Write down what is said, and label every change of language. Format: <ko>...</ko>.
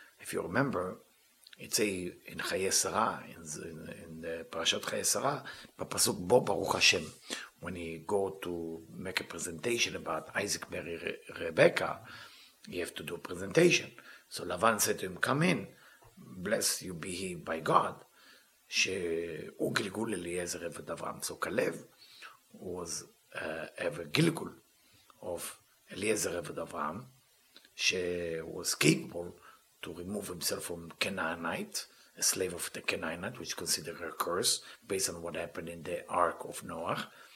<en>If you remember, it's in Chaye Sara, in the Parashat Chaye Sara, Pasuk Bo Baruch Hashem, when he go to make a presentation about Isaac Mary Rebecca, he have to do a presentation. So Lavan said to him, come in, bless you be he by God.</en> <he>שהוא גלגול אליעזר עבד אברהם.</he> <en>So Kalev was a gilgul of אליעזר</en> <he>עבד אברהם,</he> <en>who was capable to remove himself from Canaanite, a slave of the Canaanite, which is considered a curse, based on what happened in the Ark of Noah.</en>